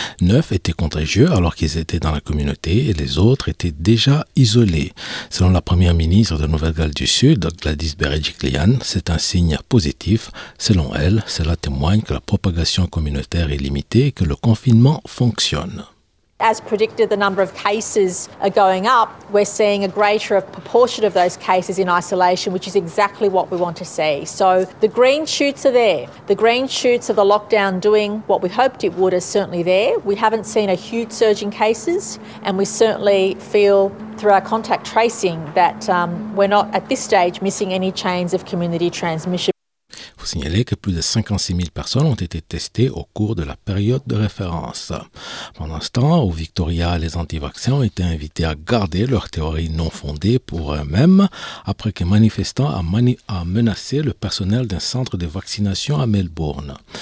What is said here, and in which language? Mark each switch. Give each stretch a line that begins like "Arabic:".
French: 9 étaient contagieux alors qu'ils étaient dans la communauté et les autres étaient déjà isolés. Selon la première ministre de Nouvelle-Galles du Sud, Gladys Berejiklian, c'est un signe positif. Selon elle, cela témoigne que la propagation communautaire est limitée et que le confinement fonctionne.
English: As predicted, the number of cases are going up. We're seeing a greater proportion of those cases in isolation, which is exactly what we want to see. So the green shoots are there. The green shoots of the lockdown doing what we hoped it would are certainly there. We haven't seen a huge surge in cases, and we certainly feel through our contact tracing that we're not at this stage missing any chains of community transmission.
French: Il faut signaler que plus de 56 000 personnes ont été testées au cours de la période de référence. Pendant ce temps, au Victoria, les anti-vaccins ont été invités à garder leurs théories non fondées pour eux-mêmes après qu'un manifestant a menacé le personnel d'un centre de vaccination à Melbourne.